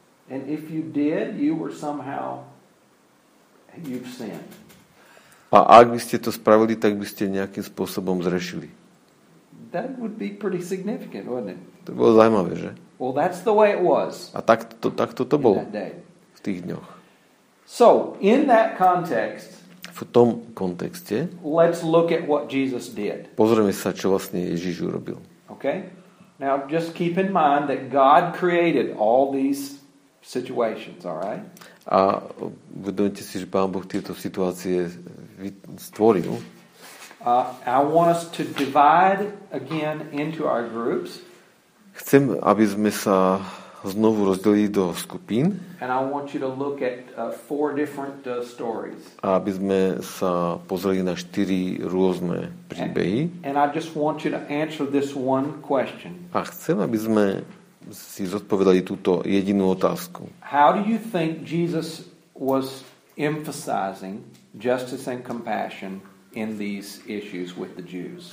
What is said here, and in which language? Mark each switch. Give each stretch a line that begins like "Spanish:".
English: And if you did, you were somehow you've sinned.
Slovak: A ak by ste to spravili, tak by ste nejakým spôsobom zrešili.
English: That would be pretty significant, wouldn't it?
Slovak: To bolo zaujímavé, že?
English: Well, that's the way it was.
Slovak: A tak to bolo v tých dňoch.
English: So, in that context,
Slovak: v tom kontexte,
English: let's look at what Jesus did.
Slovak: Pozrieme sa, čo vlastne Ježiš urobil.
English: Okay? Now, just keep in mind that God created all these situations, all right?
Slovak: A uvedomte si, že Pán Boh tieto situácie stvoril.
English: I want us to divide again into our groups.
Slovak: Chcem, aby sme sa znovu rozdelili do skupín.
English: And I want you to look at four different stories.
Slovak: A aby sme sa pozreli na štyri rôzne príbehy.
English: And I just want you to answer this one question.
Slovak: A chcem, aby sme si zodpovedali túto jedinú otázku.
English: How do you think Jesus was emphasizing justice and compassion in these issues with the Jews?